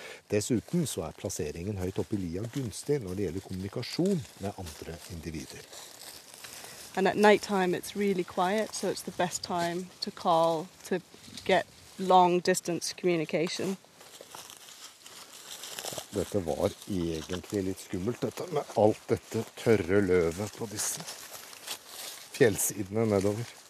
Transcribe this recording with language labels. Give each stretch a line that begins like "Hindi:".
Norwegian: Dessuten så er plasseringen høyt opp i lia gunstig når det gjelder kommunikasjon med andre individer.
English: And at night time it's really quiet, so it's the best time to call to get long distance communication.
Norwegian: Ja, dette var egentlig litt skummelt, dette med alt dette tørre løvet på disse fjellsidene nedover.